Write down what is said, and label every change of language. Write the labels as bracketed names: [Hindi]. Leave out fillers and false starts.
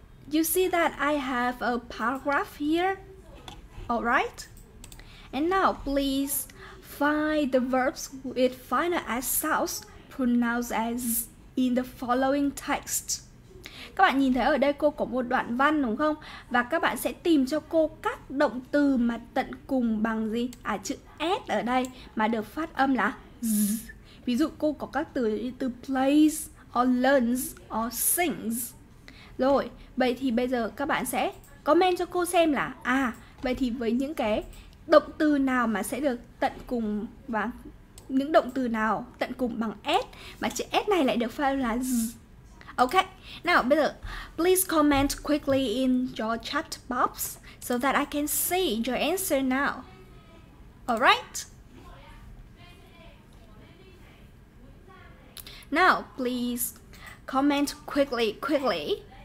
[English] You see that I have a paragraph here. Alright. And now, please find the verbs with final S sounds pronounced as in the following text. [Vietnamese] Các bạn nhìn thấy ở đây cô có một đoạn văn đúng không? Và các bạn sẽ tìm cho cô các động từ mà tận cùng bằng gì? À, chữ S ở đây mà được phát âm là Z. Ví dụ cô có các từ như từ [English] plays, or learns, or sings. [Vietnamese] Rồi, vậy thì bây giờ các bạn sẽ comment cho cô xem là à, vậy thì với những cái động từ nào mà sẽ được tận cùng và những động từ nào tận cùng bằng S mà chữ S này lại được phát âm là Z. [English] Ok, now [Vietnamese] bây giờ [English] please comment quickly in your chat box so that I can see your answer now. Alright? Now please comment quickly.